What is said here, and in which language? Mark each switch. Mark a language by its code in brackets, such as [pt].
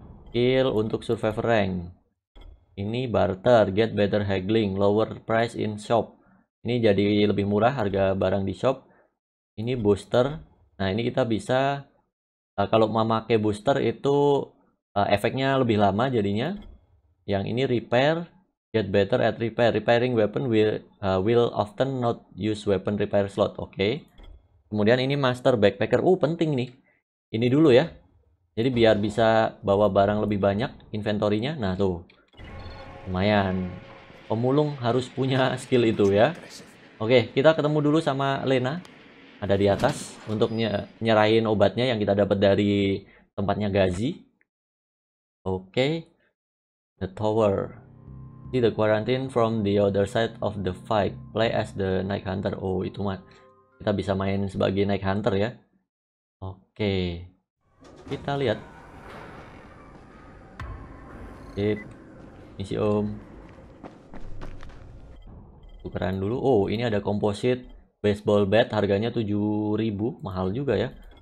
[id] Skill untuk survivor rank. Ini barter, [en] get better haggling, lower price in shop. [id] Ini jadi lebih murah harga barang di shop. Ini booster. Nah, ini kita bisa kalau memakai booster itu efeknya lebih lama jadinya. Yang ini repair, [en] get better at repair. Repairing weapon will often not use weapon repair slot. [id] Oke. Kemudian ini master backpacker. Penting nih. Ini dulu ya. Jadi biar bisa bawa barang lebih banyak inventory-nya. Nah, tuh. Lumayan. Pemulung harus punya skill itu ya. Oke, kita ketemu dulu sama Lena. Ada di atas untuk nyerahin obatnya yang kita dapat dari tempatnya Gazi. [en] Oke. The tower. See the quarantine from the other side of the fight. Play as the Night Hunter. [id] Oh, itu mah kita bisa main sebagai Night Hunter ya. Oke. Kita lihat. Sip. Misi om. Tukeran dulu. Oh, ini ada komposit baseball bat harganya 7.000, mahal juga ya.